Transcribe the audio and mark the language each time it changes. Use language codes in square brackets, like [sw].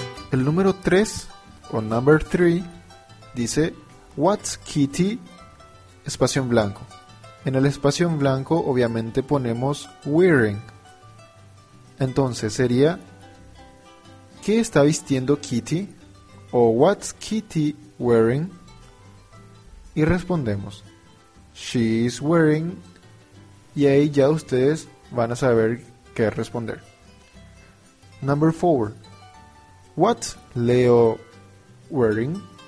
[es] El número 3, o [en] number 3, [es] dice, [en] What's Kitty? [es] Espacio en blanco. En el espacio en blanco, obviamente, ponemos wearing. Entonces sería, ¿qué está vistiendo Kitty? O [en] what's Kitty wearing? [es] Y respondemos, [en] she's wearing. [es] Y ahí ya ustedes van a saber qué responder. [en] Number four. What's Leo wearing?